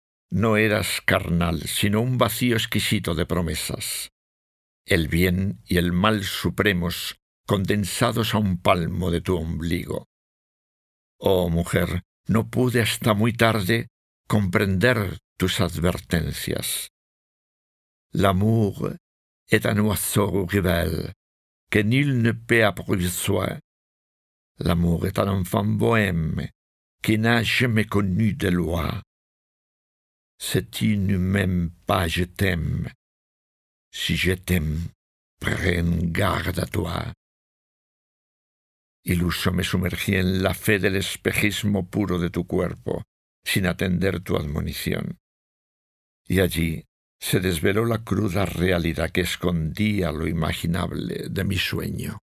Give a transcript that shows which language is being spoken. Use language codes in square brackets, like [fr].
[es] No eras carnal, sino un vacío exquisito de promesas. El bien y el mal supremos, condensados a un palmo de tu ombligo. Oh, mujer, no pude hasta muy tarde comprender tus advertencias. [fr] L'amour est un oiseau rebelle. Que nul ne peut apprivoiser. L'amour est un enfant bohème qui n'a jamais connu de loi. Si tu ne m'aimes pas, je t'aime. Si je t'aime, prends garde à toi. [es] Iluso me sumergí en la fe del espejismo puro de tu cuerpo, sin atender tu admonición. Y allí se desveló la cruda realidad que escondía lo imaginable de mi sueño.